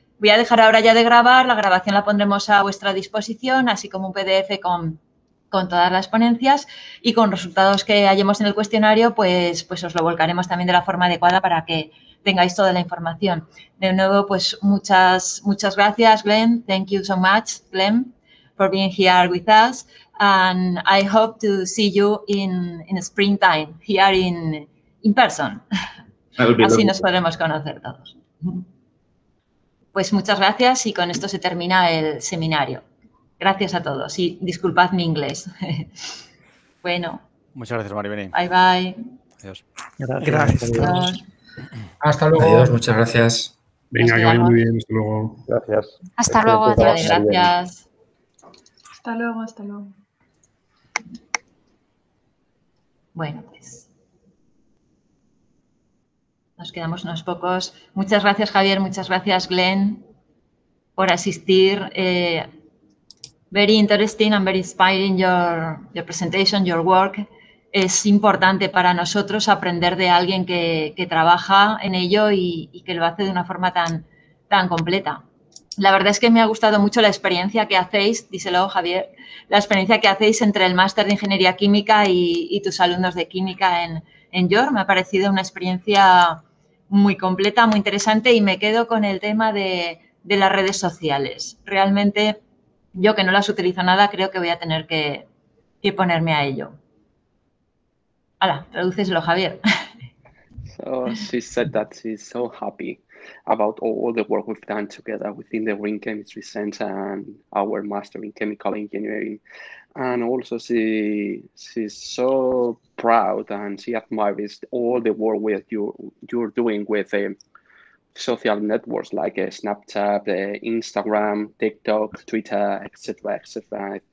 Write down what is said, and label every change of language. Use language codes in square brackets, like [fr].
[es] Voy a dejar ahora ya de grabar. La grabación la pondremos a vuestra disposición, así como un PDF con todas las ponencias y con resultados que hallemos en el cuestionario, pues os lo volcaremos también de la forma adecuada para que tengáis toda la información. De nuevo, pues muchas gracias, Glenn. [en] Thank you so much, Glenn, for being here with us. And I hope to see you in springtime here in person. [es] Así nos podremos conocer todos. Pues muchas gracias y con esto se termina el seminario. Gracias a todos y disculpad mi inglés. Bueno. Muchas gracias, Maribeni. [en] Bye, bye. [es] Adiós. Gracias. Adiós. Hasta luego. Adiós, muchas gracias. Venga, que vaya muy bien. Hasta luego. Gracias. Hasta luego. Adiós, gracias. Hasta luego, hasta luego. Bueno, pues. Nos quedamos unos pocos. Muchas gracias, Javier. Muchas gracias, Glenn, por asistir. [en] Very interesting and very inspiring your presentation, your work. [es] Es importante para nosotros aprender de alguien que trabaja en ello y que lo hace de una forma tan, tan completa. La verdad es que me ha gustado mucho la experiencia que hacéis, díselo Javier, la experiencia que hacéis entre el máster de Ingeniería Química y tus alumnos de Química en YOR. Me ha parecido una experiencia muy completa, muy interesante y me quedo con el tema de las redes sociales. Realmente, yo que no las utilizo nada, creo que voy a tener que ponerme a ello. Hala, tradúceselo, Javier. [en] So she said that she's so happy about all the work we've done together within the Green Chemistry Center and our Master in Chemical Engineering. And also she's so proud and she admires all the work with you're doing with social networks like Snapchat, Instagram, TikTok, Twitter, etc., etc.